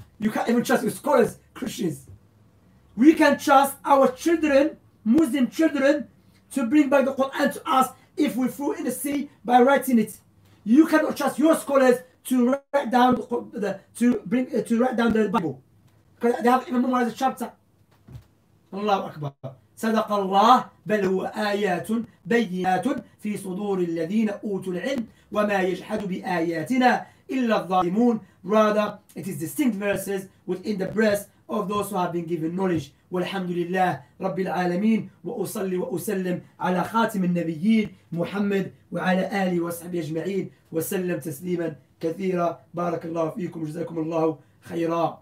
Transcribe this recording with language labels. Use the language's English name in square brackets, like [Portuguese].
[English] You can't even trust your scholars, Christians. We can trust our children, Muslim children, to bring back the Quran to us if we threw in the sea by writing it. You cannot trust your scholars to write down to write down the Bible. Because they haven't even memorized the chapter. [Arabic] Allahu Akbar. صدق الله بل هو آيات بينات في صدور الذين أوتوا العلم وما يجحد بآياتنا إلا الظالمون. [English] Rather, it is distinct verses within the breast of those who have been given knowledge. [Arabic] والحمد لله رب العالمين وأصلي وأسلم على خاتم النبيين محمد وعلى آله وصحبه أجمعين وسلم تسليما كثيرا. بارك الله فيكم جزاكم الله خيرا.